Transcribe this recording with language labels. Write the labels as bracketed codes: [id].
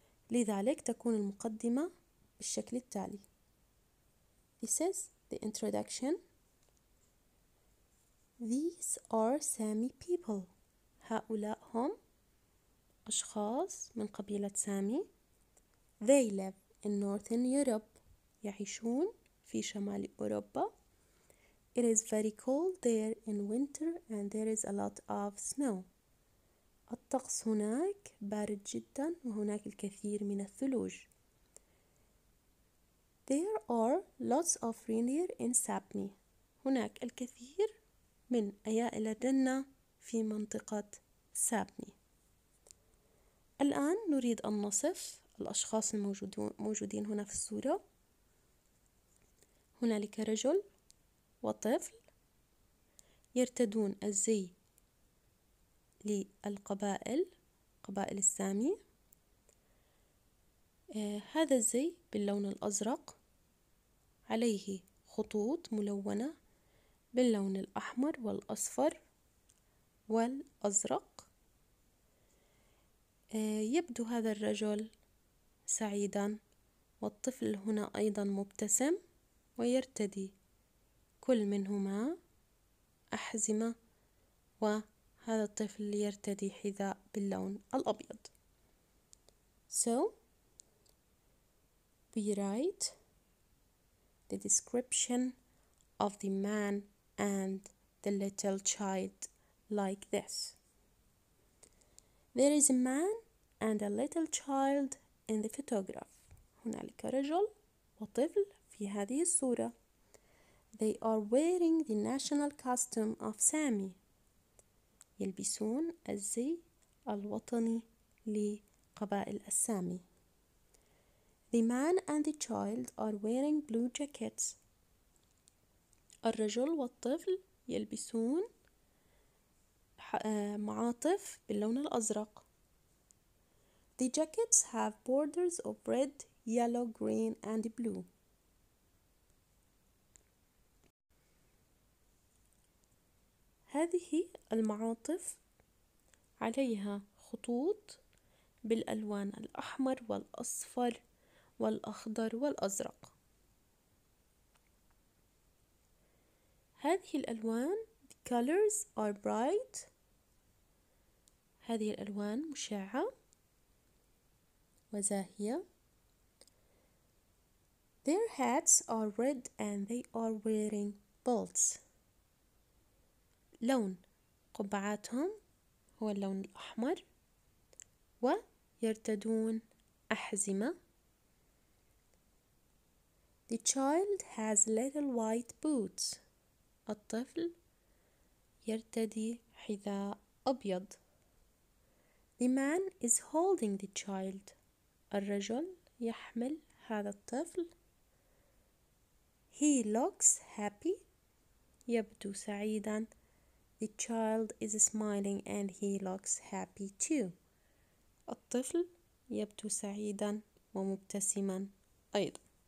[ar] لذلك تكون المقدمة بالشكل التالي: [en] This is the introduction. These are Sami people. [ar] هؤلاء هم أشخاص من قبيلة سامي. [en] They live in Northern Europe. [ar] يعيشون في شمال أوروبا. [en] It is very cold there in winter and there is a lot of snow. [ar] الطقس هناك بارد جدا وهناك الكثير من الثلوج. [en] There are lots of reindeer in Sapmi. [ar] هناك الكثير من أيائل الرنة في منطقة سابمي. الآن نريد أن نصف الأشخاص الموجودين هنا في الصورة. هنالك رجل وطفل يرتدون الزي للقبائل، قبائل السامي. هذا الزي باللون الأزرق، عليه خطوط ملونة باللون الأحمر والأصفر والأزرق. يبدو هذا الرجل سعيدا، والطفل هنا أيضا مبتسم، ويرتدي كل منهما أحزمة، وهذا الطفل يرتدي حذاء باللون الأبيض. [en] So we write the description of the man and the little child like this. There is a man and a little child in the photograph. [ar] هنالك رجل وطفل في هذه الصورة. [en] They are wearing the national costume of Sami. [ar] يلبسون الزي الوطني لقبائل السامي. [en] The man and the child are wearing blue jackets. [ar] الرجل والطفل يلبسون معاطف باللون الأزرق. [en] The jackets have borders of red, yellow, green and blue. [ar] هذه المعاطف عليها خطوط بالألوان الأحمر والأصفر والأخضر والأزرق. هذه الألوان [en] the colors are bright. [ar] هذه الألوان مشعة وزاهية. [en] Their hats are red and they are wearing belts. [ar] لون قبعاتهم هو اللون الأحمر ويرتدون أحزمة. [en] The child has little white boots. [ar] الطفل يرتدي حذاء أبيض. [en] The man is holding the child. [ar] الرجل يحمل هذا الطفل. [en] He looks happy. [ar] يبدو سعيدا. [en] The child is smiling and he looks happy too. [ar] الطفل يبدو سعيدا ومبتسما أيضا.